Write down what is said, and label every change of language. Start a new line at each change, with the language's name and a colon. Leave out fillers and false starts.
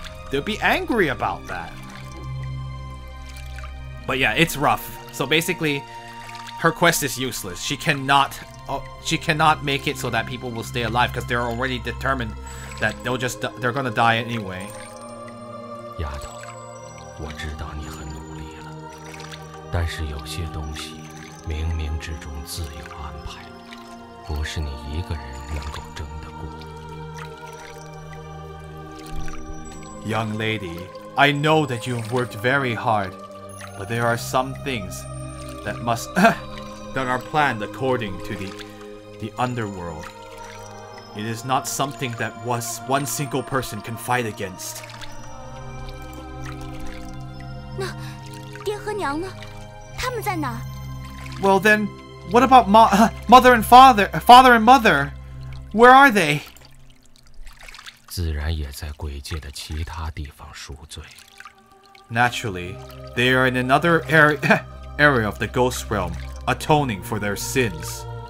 English: They'll be angry about that. But yeah, it's rough. So basically, her quest is useless. She cannot make it so that people will stay alive because they're already determined that they're gonna die anyway.
Chinese: 丫头，我知道你很努力了，但是有些东西冥冥之中自有安排，不是你一个人能够争得过。
English: Young lady, I know that you've worked very hard, but there are some things that must. that are planned according to the underworld. It is not something that one single person can fight against.
Chinese: 那爹和娘呢？他们在哪？
English: Well then, what about mother and father and mother? Where are they?
Chinese: 自然也在鬼界的其他地方赎罪。
English: Naturally, they are in another area of the ghost realm, atoning for their sins.